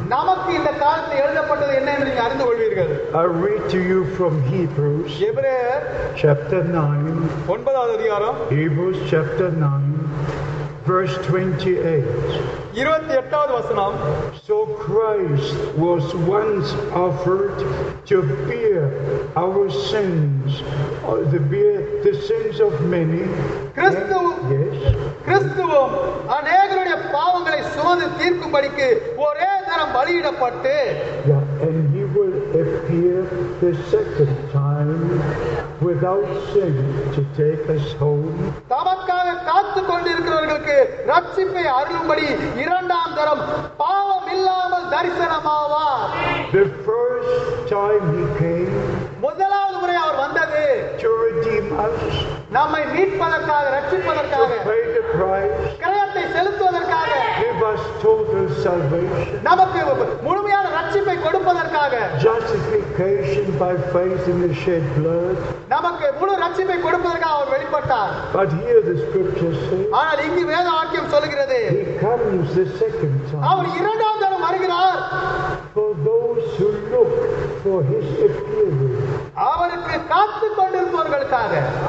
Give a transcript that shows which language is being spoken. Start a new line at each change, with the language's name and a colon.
Tamil: நமக்கு இந்த காலத்தில் எழுதப்பட்டது என்ன என்று அறிந்து கொள்வீர்கள்.
English: I read to you from Hebrews.
Tamil: எபிரேயர்
English: chapter 9.
Tamil: 9வது அதிகாரம்.
English: Hebrews chapter 9 verse 28.
Tamil: 28வது வசனம்.
English: So Christ was once offered to bear our sins, to bear the sins of many.
Tamil: Kristu.
English: Yes.
Tamil: கிறிஸ்துவும் அநேகருடைய பாவங்களை சுமந்து தீர்க்கும்படிக்கு ஒரே தரம் பலியிடப்பட்டு.
English: Yeah, and he will appear the second time without sin to take us home.
Tamil: தமக்காக காத்துக் கொண்டிருக்கிறவர்களுக்கு ரட்சிப்பை அருளும்படி இரண்டாம் தரம் பாவம் இல்லாமல் தரிசனமாவார்.
English: The first time he came.
Tamil: முதலாவது முறை அவர் வந்தது.
English: To redeem us.
Tamil: நம்மை மீட்பதற்காக, ரட்சிப்பதற்காக.
English: Pay the price.
Tamil: கிரயத்தை செலுத்துவதற்காக.
English: Give us total salvation.
Tamil: நமக்கு முழுமையான ரட்சிப்பை கொடுப்பதற்காக.
English: Justification by faith in the shed blood.
Tamil: நமக்கு முழு ரட்சிப்பை கொடுப்பதற்காக அவர் வெளிப்பட்டார்.
English: But here the scriptures say.
Tamil: ஆனால் இங்கு வேத வாக்கியம் சொல்கிறது.
English: He comes the second time.
Tamil: அவர் இரண்டாம் தரம் வருகிறார்.
English: For those who look for his appearing.
Tamil: அவருக்கு காத்து கொண்டிருப்பவர்களுக்காக.